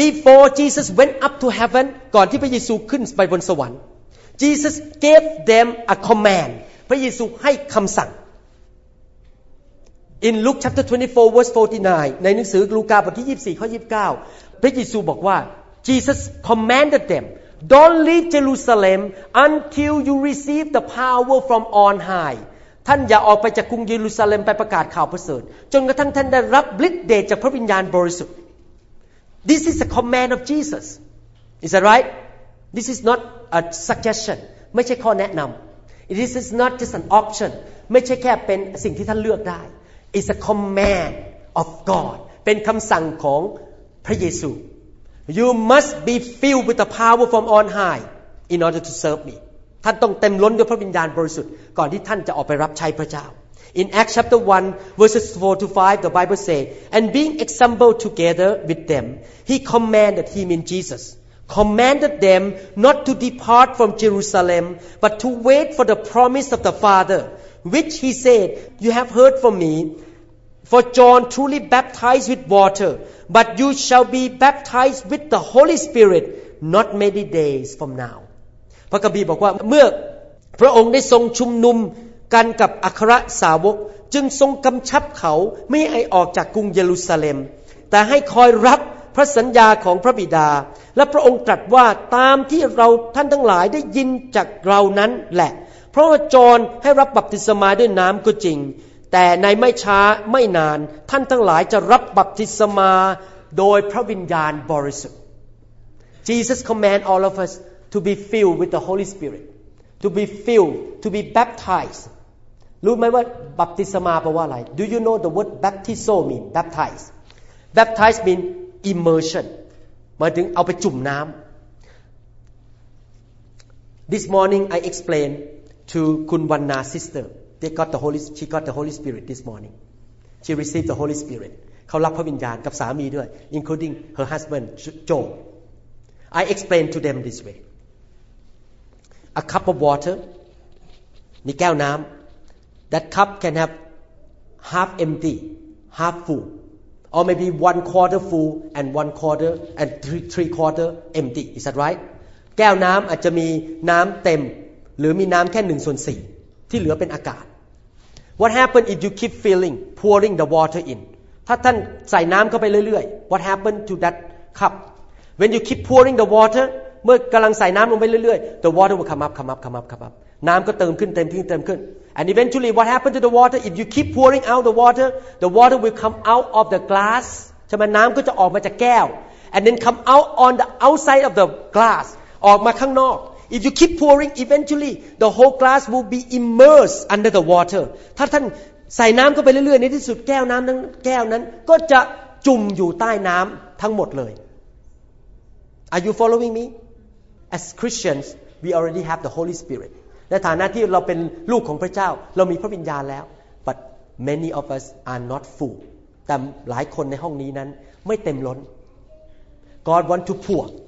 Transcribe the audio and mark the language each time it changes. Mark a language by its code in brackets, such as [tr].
[en] Before Jesus went up to heaven, [th] ก่อนที่พระเยซูขึ้นไปบนสวรรค์ [en] Jesus gave them a command. [th] พระเยซูให้คำสั่ง. [en] In Luke chapter 24 verse 49. [th] ในหนังสือลูกาบทที่24ข้อ29. พระเยซูบอกว่า [en] Jesus commanded them. Don't leave Jerusalem until you receive the power from on high. [th] ท่านอย่าออกไปจากกรุงเยรูซาเล็มไปประกาศข่าวประเสริฐจนกระทั่งท่านได้รับฤทธิ์เดชจากพระวิญญาณบริสุทธิ์ [en] This is a command of Jesus. Is that right? This is not a suggestion. [th] ไม่ใช่ข้อแนะนำ [en] This is not just an option. [th] ไม่ใช่แค่เป็นสิ่งที่ท่านเลือกได้ [en] It's a command of God. [th] เป็นคำสั่งของพระเยซู [en] You must be filled with the power from on high in order to serve me. [th] ท่านต้องเต็มล้นด้วยพระวิญญาณบริสุทธิ์ก่อนที่ท่านจะออกไปรับใช้พระเจ้า [en] In Acts chapter 1 verses 4 to 5 the Bible say and being assembled together with them he commanded him in Jesus commanded them not to depart from Jerusalem but to wait for the promise of the Father which he said you have heard from meFor John truly baptized with water, but you shall be baptized with the Holy Spirit not many days from now. [th] พระคัมภีร์บอกว่าเมื่อพระองค์ได้ทรงชุมนุมกันกับอัครสาวก จึงทรงกำชับเขาไม่ให้ออกจากกรุงเยรูซาเล็มแต่ให้คอยรับพระสัญญาของพระบิดาและพระองค์ตรัสว่าตามที่เราท่านทั้งหลายได้ยินจากเรานั้นแหละเพราะว่าจอนให้รับบัพติศมาด้วยน้ำก็จริงแต่ในไม่ช้าไม่นานท่านทั้งหลายจะรับบัพติศมาโดยพระวิญญาณบริสุทธิ์ [en] Jesus command all of us to be filled with the Holy Spirit to be filled to be baptized [th] รู้ไหมว่าบัพติศมาแปลว่าอะไร [en] Do you know the word baptizo mean baptize baptize mean immersion [th] หมายถึงเอาไปจุ่มน้ำ [en] This morning I explainTo Kunwanna's sister, they got the Holy. She got the Holy Spirit this morning. She received the Holy Spirit. [th] เขารับพระวิญญาณกับสามีด้วย [en] including her husband, Joe. I explained to them this way. A cup of water. [th] นี่แก้วน้ำ [en] That cup can have half empty, half full, or maybe one quarter full and one quarter and three quarter empty. Is that right? [th] แก้วน้ำอาจจะมีน้ำเต็มหรือมีน้ำแค่หนึ่งส่วนสี่ที่เหลือเป็นอากาศ [en] What happens if you keep filling, pouring the water in? [th] ถ้าท่านใส่น้ำเข้าไปเรื่อยๆ [en] What happens to that cup? When you keep pouring the water, [th] เมื่อกำลังใส่น้ำลงไปเรื่อยๆ [en] The water will come up. [th] น้ำก็เติมขึ้น [en] And eventually, what happens to the water? If you keep pouring out the water will come out of the glass. [th] ใช่ไหมน้ำก็จะออกมาจากแก้ว [en] And then come out on the outside of the glass. [th] ออกมาข้างนอก [en] If you keep pouring, eventually the whole glass will be immersed under the water. [th] ถ้าท่านใส่น้ำเข้าไปเรื่อยๆในที่สุดแก้วน้ำนั้นแก้วนั้นก็จะจุ่มอยู่ใต้น้ำทั้งหมดเลย [en] Are you following me? As Christians, we already have the Holy Spirit. [th] ในฐานะที่เราเป็นลูกของพระเจ้าเรามีพระวิญญาณแล้ว [en] But many of us are not full. [th] แต่หลายคนในห้องนี้นั้นไม่เต็มล้น [en] God want to pour.